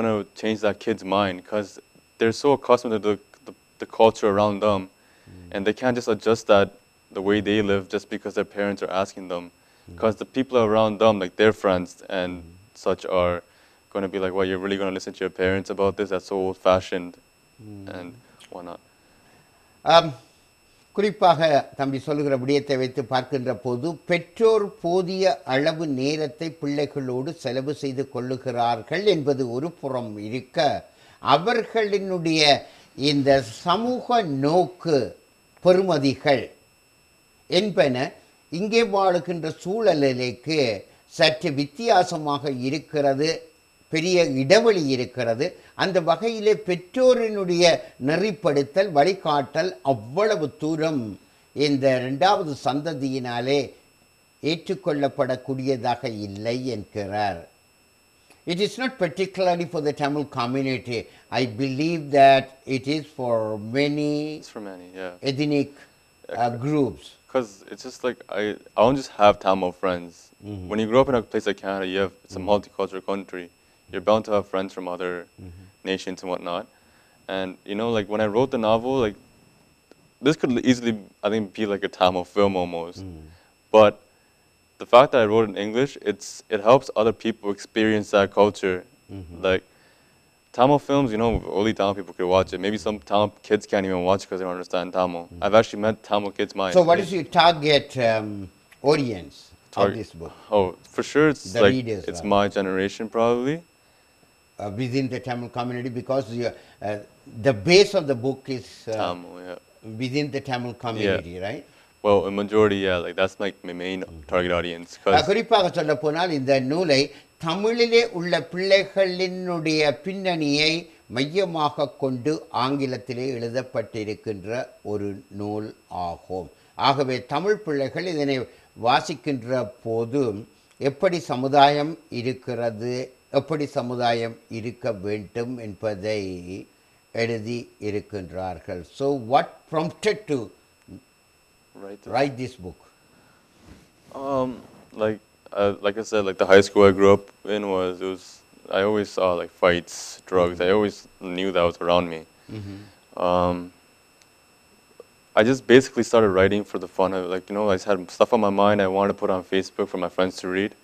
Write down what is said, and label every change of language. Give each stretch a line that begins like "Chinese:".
English: going to change that kid's mind, because they're so accustomed to the culture around them, mm-hmm. and they can't just adjust that the way they live just because their parents are asking them. Because the people around them, like their friends and mm. such, are going to be like, well, you're really going to listen to your parents about this? That's so old-fashioned mm. and why not?
Tamil: குறிப்பாக தம்பி சொல்லுகிற விடயத்தை வைத்து பார்க்கின்ற போது பெற்றோர் போதிய அளவு நேரத்தை பிள்ளைகளோடு செலவு செய்து கொள்ளுகிறார்கள் என்பது ஒரு புறம் இருக்க அவர்களினுடைய இந்த சமூக நோக்கு பெருமதிகள் என்பன இங்கே வாழ்கின்ற சூழலிலேக்கு சற்று வித்தியாசமாக இருக்கிறது, பெரிய இடைவெளி இருக்கிறது. அந்த வகையிலே பெற்றோரினுடைய நெறிப்படுத்தல் வழிகாட்டல் அவ்வளவு தூரம் இந்த இரண்டாவது சந்ததியினாலே ஏற்றுக்கொள்ளப்படக்கூடியதாக இல்லை என்கிறார்.
English: It is not particularly for the Tamil community. I believe that it is for many ethnic groups. Because it's just like, I don't just have Tamil friends. Mm-hmm. When you grow up in a place like Canada, you have it's mm-hmm. a multicultural country. You're bound to have friends from other mm-hmm. nations and whatnot. And, you know, like when I wrote the novel, like this could easily, I think, be like a Tamil film almost. Mm-hmm. But the fact that I wrote it in English, it helps other people experience that culture. Mm-hmm. Like Tamil films, you know, only Tamil people could watch it. Maybe some Tamil kids can't even watch because they don't understand Tamil. Mm-hmm. I've actually met Tamil kids. So what is your target audience of this book? Oh, for sure it's the like, readers, it's my generation probably. Within the Tamil community, because the base of the book is Tamil, within the Tamil community, right? Well, a majority, like that's like my main target audience.
Tamil: குறிப்பாக சொல்ல போனால் இந்த நூலை தமிழிலே உள்ள பிள்ளைகளினுடைய பின்னணியை மையமாக கொண்டு ஆங்கிலத்திலே எழுதப்பட்டிருக்கின்ற ஒரு நூல் ஆகும். ஆகவே தமிழ் பிள்ளைகள் இதனை வாசிக்கின்ற போது எப்படி சமுதாயம் இருக்கிறது, எப்படி சமுதாயம் இருக்க வேண்டும் என்பதை எழுதி இருக்கின்றார்கள்.
English: So what prompted to write this book? Like I said, like the high school I grew up in was I always saw like fights, drugs. Mm-hmm. I always knew that was around me. Mm-hmm. I just basically started writing for the fun of it. Like, you know, I just had stuff on my mind I wanted to put on Facebook for my friends to read.